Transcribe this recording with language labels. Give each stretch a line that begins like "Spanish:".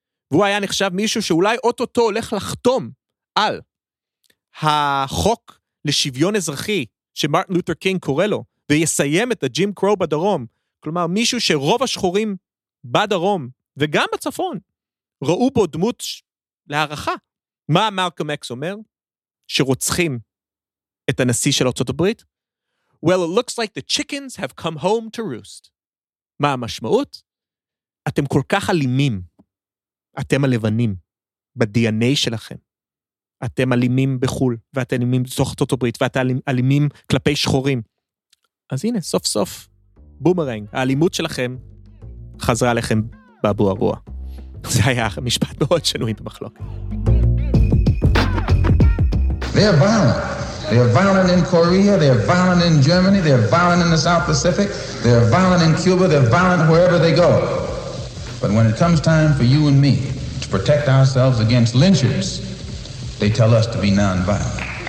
Hebrew: והוא היה נחשב מישהו שאולי אוטוטו הולך לחתום על החוק לשוויון אזרחי שמרטין לותר קינג קורא לו, ויסיים את הג'ים קרו בדרום. כלומר, מישהו שרוב השחורים בדרום, וגם בצפון, ראו בו דמות להערכה. מה מלקום אקס אומר? שרוצחים את הנשיא של ארצות הברית?
English: Well, it looks like the chickens have come home to roost.
Hebrew: מה המשמעות? אתם כל כך אלימים. אתם הלבנים. ב-DNA שלכם. אתם אלימים בחול, ואתם אלימים בתוך ארצות הברית, ואתם אלימים כלפי שחורים. אז הנה, סוף סוף, בומרנג, האלימות שלכם חזרה לכם באבו אבו. זה היה משפט מאוד שנוי במחלוקת.
English: They are violent. They are violent in Korea, they are violent in Germany, they are violent in the South Pacific, they are violent in Cuba, they are violent wherever they go. But when it comes time for you and me to protect ourselves against lynchers, they tell us to be non-violent.